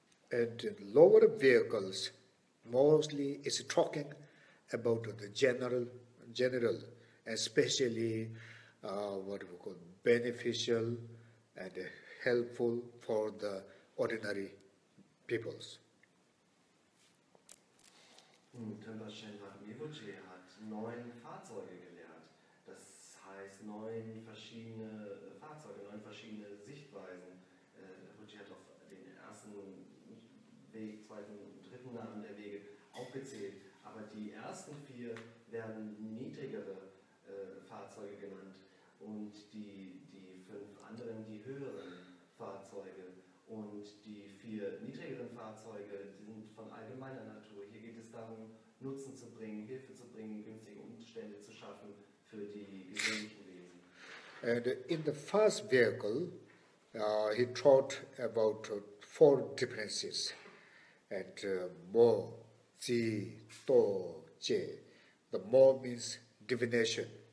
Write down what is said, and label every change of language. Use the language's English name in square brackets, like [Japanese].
[English] And lower vehicles mostly is talking about the general, especially what we call beneficial and helpful for the ordinary peoples. [German] Tenpachen Rinpoche hat 9 Fahrzeuge gelernt. Das heißt 9 verschiedene Fahrzeuge, 9 verschiedene Sichtweisen. Rinpoche hat auf den ersten Weg, zweiten und dritten Namen der Wege aufgezählt. Aber die ersten 4 werden niedrigere Fahrzeuge genannt und die 5 anderen die höheren Fahrzeuge. Und die 4 niedrigeren Fahrzeuge sind von allgemeiner Natur. Hier geht es darum, Nutzen zu bringen, Hilfe zu bringen, günstige Umstände zu schaffen für die gewöhnlichen Wesen. [English] And in the first vehicle, he taught about 4 differences and more. Ji, To, Je. The Mo means divination.